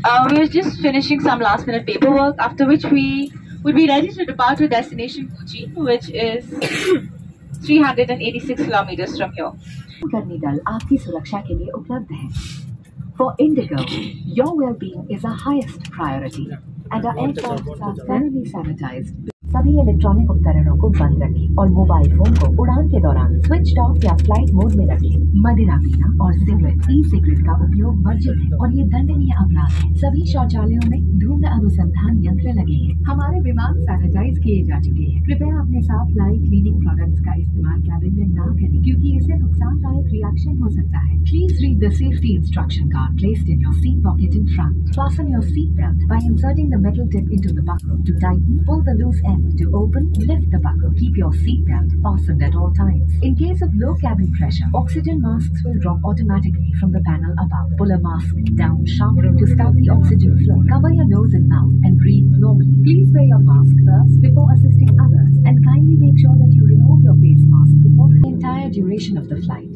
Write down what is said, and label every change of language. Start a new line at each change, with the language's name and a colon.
English: We were just finishing some last minute paperwork after which we would be ready to depart to destination Kochi, which is 386 kilometers from here.
Hindi: Karni dal aapki suraksha ke liye uplabdh hai.
English: For Indigo, your well-being is our highest priority and our airports are thoroughly sanitized.
Hindi: सभी electronic उपकरणों को बंद रखें और mobile phone को उड़ान के दौरान स्विच ऑफ या फ्लाइट मोड में रखें। मदिरा पीना और सिगरेट ई सिगरेट का उपयोग वर्जित है और ये दंडनीय अपराध है। सभी शौचालयों में धूम्र अनुसंधान यंत्र लगे हैं। हमारे विमान सैनिटाइज किए जा चुके हैं। कृपया अपने साथ लाई क्लीनिंग प्रोडक्ट्स का इस्तेमाल कैबिन में ना करें क्योंकि इससे नुकसानदायक रिएक्शन हो सकता है।
English: Please read the safety instruction card placed in your seat pocket in front. Fasten your seat belt by inserting the metal tip into the buckle to tighten pull the loose end To open, lift the buckle. Keep your seatbelt fastened at all times. In case of low cabin pressure, oxygen masks will drop automatically from the panel above. Pull a mask down sharply to stop the oxygen flow. Cover your nose and mouth and breathe normally. Please wear your mask first before assisting others and kindly make sure that you remove your face mask before the entire duration of the flight.